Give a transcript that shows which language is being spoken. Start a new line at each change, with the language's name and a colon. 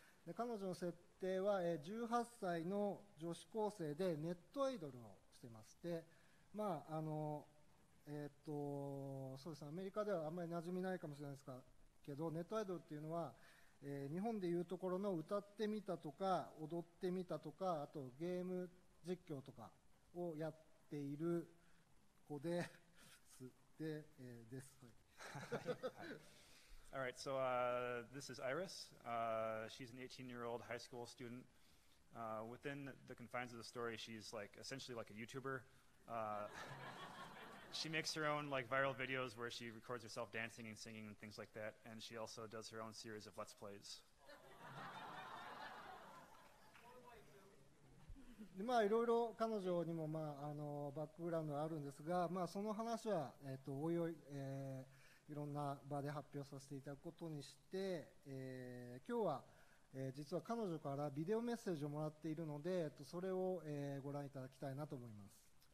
Japanese: で、彼女の設定は、18歳の女子高生でネットアイドルをしてまして、まあそうですね、アメリカではあんまり馴染みないかもしれないですけど、ネットアイドルっていうのは、日本でいうところの歌ってみたとか踊ってみたとか、あとゲーム実況とかをやっているここで、で、です。
English: All right, so this is Iris. She's an 18-year-old high school student. Within the confines of the story, she's like essentially like a YouTuber. she makes her own like viral videos where she records herself dancing and singing and things like that, and she also does her own series of Let's Plays.
Japanese: で、まあ、いろいろ彼女にも、まあ、あのバックグラウンドがあるんですが、まあ、その話は、おいおい、いろんな場で発表させていただくことにして、今日は、実は彼女からビデオメッセージをもらっているので、それを、ご覧いただきたいなと思います。